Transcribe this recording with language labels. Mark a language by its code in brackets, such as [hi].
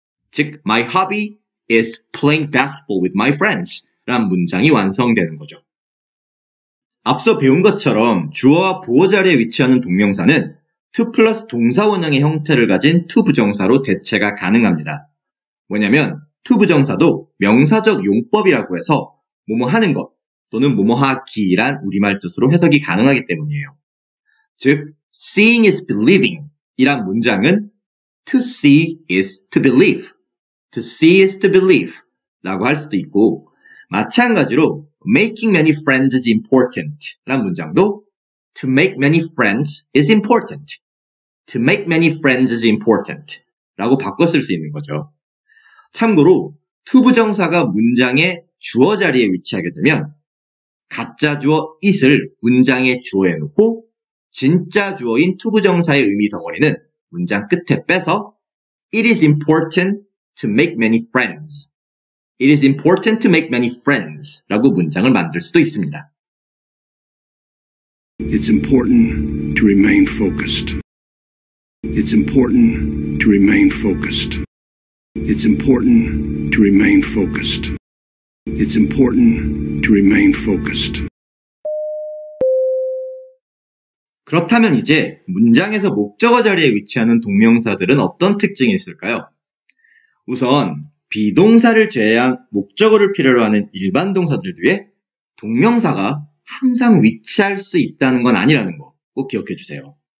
[ko] 즉 [en] my hobby is playing basketball with my friends [ko] 라는 문장이 완성되는 거죠. 앞서 배운 것처럼 주어와 보어 자리에 위치하는 동명사는 to 플러스 동사 원형의 형태를 가진 to 부정사로 대체가 가능합니다. 뭐냐면 to 부정사도 명사적 용법이라고 해서 뭐뭐 하는 것 또는 뭐뭐 하기란 우리말 뜻으로 해석이 가능하기 때문이에요. 즉 [en] seeing is believing [ko] 이란 문장은 [en] to see is to believe. to see is to believe [ko] 라고 할 수도 있고 마찬가지로 [en] making many friends is important [ko] 라는 문장도 [en] to make many friends is important. to make many friends is important [ko] 라고 바꿔 쓸 수 있는 거죠. 참고로 to 부정사가 문장의 주어 자리에 위치하게 되면 가짜 주어 it을 문장의 주어에 놓고 진짜 주어인 to 부정사의 의미 덩어리는 문장 끝에 빼서 [en] it is important to make many friends. It is important to make many friends [ko] 라고 문장을 만들 수도 있습니다. [en] It's important to remain focused. It's important to remain focused. It's important to remain focused. It's important to remain focused. [ko] 그렇다면 이제 문장에서 목적어 자리에 위치하는 동명사들은 어떤 특징이 있을까요? 우선 비동사를 제외한 목적어를 필요로 하는 일반 동사들 뒤에 동명사가 항상 위치할 수 있다는 건 아니라는 거 꼭 기억해 주세요.